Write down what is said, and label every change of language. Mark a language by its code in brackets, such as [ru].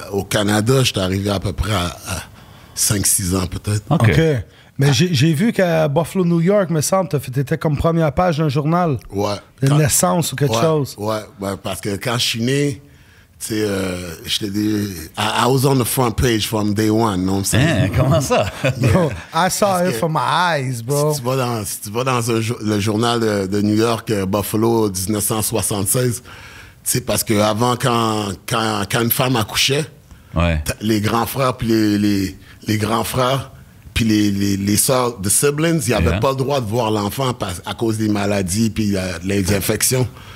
[fr] Au Canada, j'étais arrivé à peu près à 5-6 ans, peut-être. OK. Mais j'ai vu qu'à Buffalo, New York, me semble, t'étais comme première page d'un journal. Ouais. Une naissance ou quelque chose. Ouais, parce que quand je suis né, tu sais, j'étais déjà... [en] I was on the front page from day one, [fr] non? Comment ça? [en] Yeah. Bro, I saw it from my eyes, bro. [fr] Si tu vas dans le journal de New York, Buffalo, 1976, tu sais, parce qu'avant, quand une femme accouchait, ouais. Les grands frères, puis les grands frères, puis les sœurs, [en] the siblings, [fr] ils n'avaient pas le droit de voir l'enfant à cause des maladies, puis les infections.